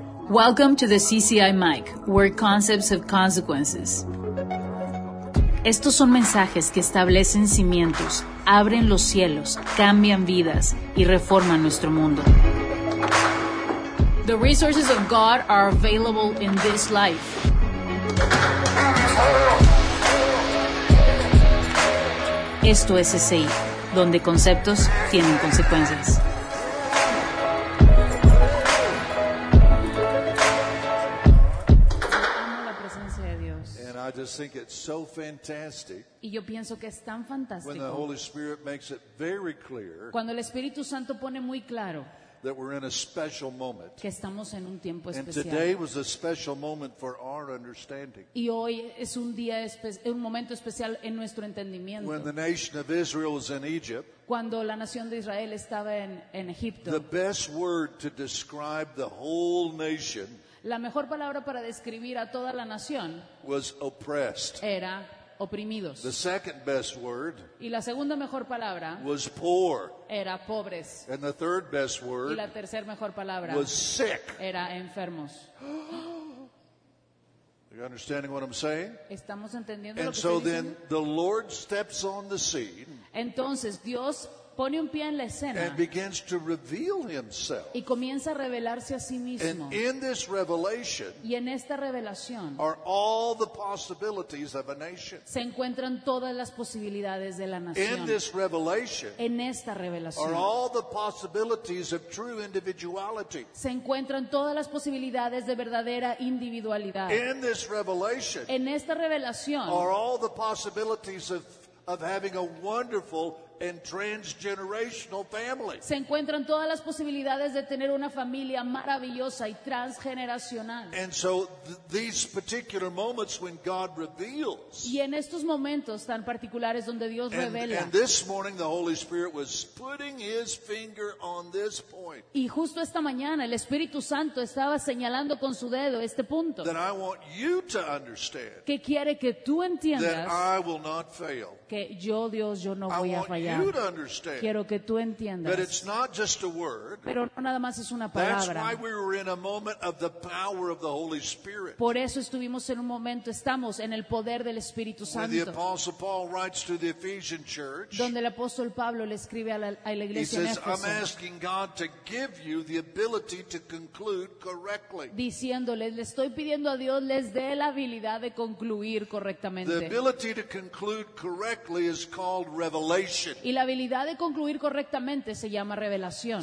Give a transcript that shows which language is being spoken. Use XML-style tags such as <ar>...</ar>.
<en>Welcome to the CCI Mic, where concepts have consequences.</en> <es>Estos son mensajes que establecen cimientos, abren los cielos, cambian vidas y reforman nuestro mundo.</es> <en>The resources of God are available in this life.</en> <es>Esto es CCI, donde conceptos tienen consecuencias.</es> <en>I just think it's so fantastic.</en> <es>Y yo pienso que es tan fantástico.</es> <en>When the Holy Spirit makes it very clear.</en> <es>Cuando el Espíritu Santo pone muy claro.</es> <en>That we're in a special moment.</en> <es>Que estamos en un tiempo especial.</es> <en>And today was a special moment for our understanding.</en> <es>Y hoy es un día un momento especial en nuestro entendimiento.</es> <en>When the nation of Israel was in Egypt.</en> <es>Cuando la nación de Israel estaba en Egipto.</es> <en>The best word to describe the whole nation.</en> <es>La mejor palabra para describir a toda la nación</es> <en>was oppressed.</en> <es>Era oprimidos.</es> <en>The second best word</en> <es>y la segunda mejor palabra</es> <en>was poor.</en> <es>Era pobres.</es> <en>And the third best word</en> <es>y la tercera mejor palabra</es> <en>was sick.</en> <es>Era enfermos.</es> <en>Are you understanding what I'm saying?</en> <es>Estamos entendiendo</es> <en>and</en> <es>lo que</es> <en>so</en> <es>estoy</es> <en>then</en> <es>diciendo?</es> <en>The Lord steps on the scene.</en> <es>Entonces Dios pone un pie en la escena</es> <en>and begins to reveal himself.</en> <es>Y comienza a revelarse a sí mismo.</es> <en>And in this revelation</en> <es>y en esta revelación</es> <en>are all the possibilities of a nation.</en> <es>Se encuentran todas las posibilidades de la nación.</es> <en>In this revelation</en> <es>en esta revelación</es> <en>are all the possibilities of true individuality.</en> <es>Se encuentran todas las posibilidades de verdadera individualidad.</es> <en>In this revelation</en> <es>en esta revelación</es> <en>are all the possibilities of having a wonderful and transgenerational family.</en> <es>Se encuentran todas las posibilidades de tener una familia maravillosa y transgeneracional.</es> <en>And so these particular moments when God reveals.</en> <es>Y en estos momentos tan particulares donde Dios revela.</es> <en>And this morning the Holy Spirit was putting his finger on this point.</en> <es>Y justo esta mañana el Espíritu Santo estaba señalando con su dedo este punto.</es> <en>That I want you to understand.</en> <es>Que quiere que tú entiendas.</es> <en>That I will not fail.</en> <es>Que yo Dios yo no voy a fallar.</es> <en>You to understand</en> <es>quiero que tú entiendas,</es> <en>that it's not just a word.</en> <es>Pero no nada más es una palabra.</es> <en>That's why we were in a moment of the power of the Holy Spirit.</en> <es>Por eso estuvimos en un momento, estamos en el poder del Espíritu Santo.</es> <en>When the Apostle Paul writes to the Ephesian church,</en> <es>donde el apóstol Pablo le escribe a la iglesia en Éfeso,</es> <en>he says, I'm asking God to give you the ability to conclude correctly.</en> <es>Diciéndole, le estoy pidiendo a Dios les dé la habilidad de concluir correctamente.</es> <en>The ability to conclude correctly is called revelation.</en> <es>Y la habilidad de concluir correctamente se llama revelación.</es>